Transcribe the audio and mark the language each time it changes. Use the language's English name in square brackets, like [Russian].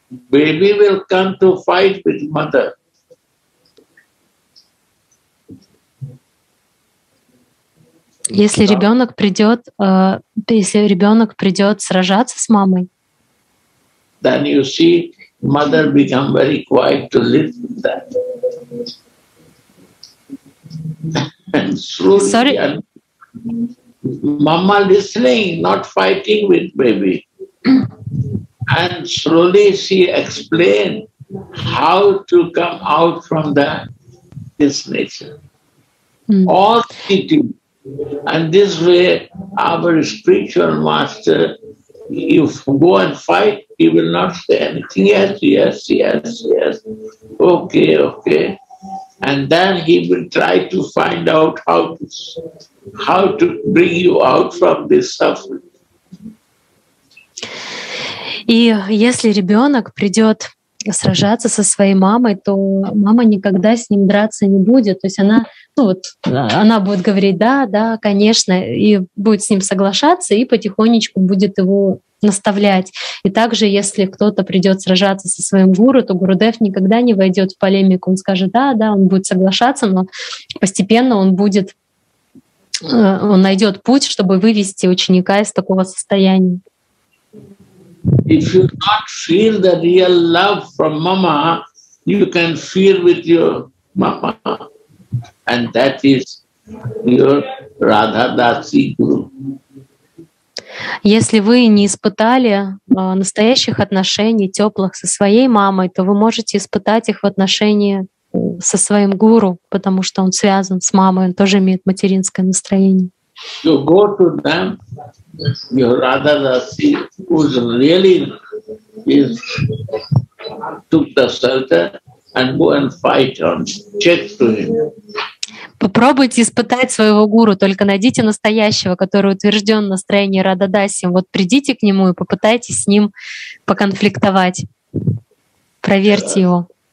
[English] Baby will come to fight with mother. [Russian] Если ребенок придет, сражаться с мамой, [English] then you see mother become very quiet to live with that. And slowly, sorry. And mama listening, not fighting with baby. And slowly she explained how to come out from that, this nature. Mm. All she did. And this way our spiritual master, if you go and fight, he will not say anything. Yes, yes, yes, yes. Okay, okay. And then he will try to find out how to bring you out from this suffering. [Russian] И если ребенок придет сражаться со своей мамой, то мама никогда с ним драться не будет. То есть она, ну вот, она будет говорить «да, да, конечно», и будет с ним соглашаться, и потихонечку будет его наставлять. И также, если кто-то придет сражаться со своим гуру, то Гурудев никогда не войдет в полемику. Он скажет «да, да», он будет соглашаться, но постепенно он будет, он найдет путь, чтобы вывести ученика из такого состояния. [English] If you not feel the real love from mama, you can feel with your mama, and that is your Radha Dasi Guru. [Russian] Если вы не испытали настоящих отношений теплых со своей мамой, то вы можете испытать их в отношении со своим гуру, потому что он связан с мамой, он тоже имеет материнское настроение. [English] You go to them. Your Radha Dasi, who really is took the shelter, and go and fight on, check to him. [Russian] Попробуйте испытать своего гуру, только найдите настоящего, который утвержден в настроении Радха Даси. Вот придите к нему и попытайтесь с ним поконфликтовать. Проверьте его.